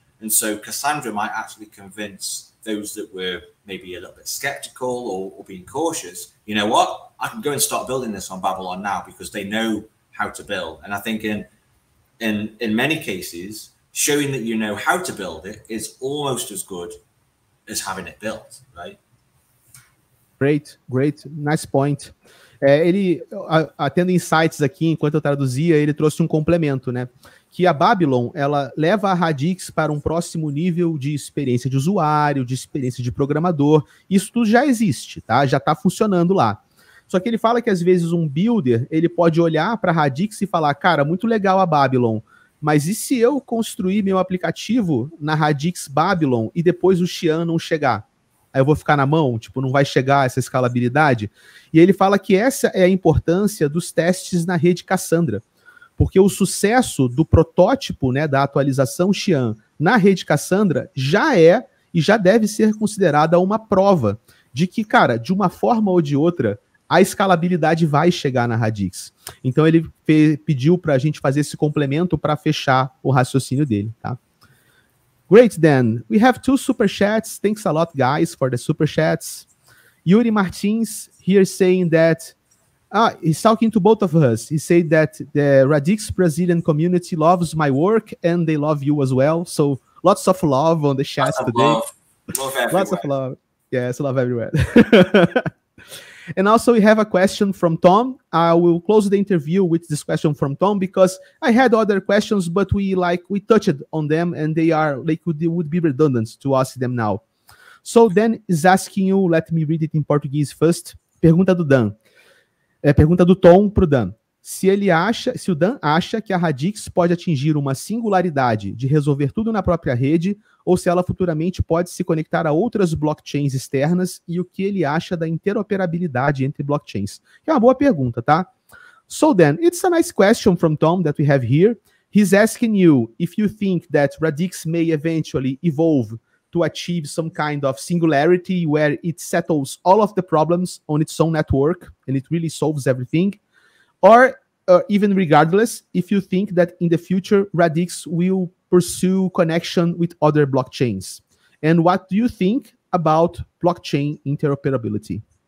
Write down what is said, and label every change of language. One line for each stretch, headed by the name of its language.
English: And so Cassandra might actually convince those that were maybe a little bit skeptical or being cautious, you know what, I can go and start building this on Babylon now, because they know how to build. And I think in many cases, showing that you know how to build it is almost as good as having it built, right? Great, great. Nice point.
Portuguese: Ele, tendo insights aqui, enquanto eu traduzia, ele trouxe um complemento, né? Que a Babylon, ela leva a Radix para um próximo nível de experiência de usuário, de experiência de programador. Isso tudo já existe, tá? Já está funcionando lá. Só que ele fala que, às vezes, um builder, ele pode olhar para a Radix e falar, cara, muito legal a Babylon, mas e se eu construir meu aplicativo na Radix Babylon e depois o Xian não chegar? Aí eu vou ficar na mão? Tipo, não vai chegar essa escalabilidade? E ele fala que essa é a importância dos testes na rede Cassandra. Porque o sucesso do protótipo, né, da atualização Xian na rede Cassandra já é e já deve ser considerada uma prova de que, cara, de uma forma ou de outra, a escalabilidade vai chegar na Radix. Então ele pediu para a gente fazer esse complemento para fechar o raciocínio dele, tá?
English: Great, Dan. We have two super chats. Thanks a lot, guys, for the super chats. Yuri Martins here saying that he's talking to both of us. He said that the Radix Brazilian community loves my work and they love you as well. So lots of love on the chat lots today. Lots of love. Yes, love everywhere. And also we have a question from Tom. I will close the interview with this question from Tom, because I had other questions, but we touched on them and they are like they would be redundant to ask them now. So Dan is asking you, let me read it in Portuguese first.
Portuguese: Pergunta do Dan. É pergunta do Tom para o Dan. Se o Dan acha que a Radix pode atingir uma singularidade de resolver tudo na própria rede, ou se ela futuramente pode se conectar a outras blockchains externas, e o que ele acha da interoperabilidade entre blockchains? Que é uma boa pergunta, tá?
English: So, Dan, it's a nice question from Tom that we have here. He's asking you if you think that Radix may eventually evolve to achieve some kind of singularity where it settles all of the problems on its own network and it really solves everything, or even regardless, if you think that in the future Radix will pursue connection with other blockchains, and what do you think about blockchain interoperability?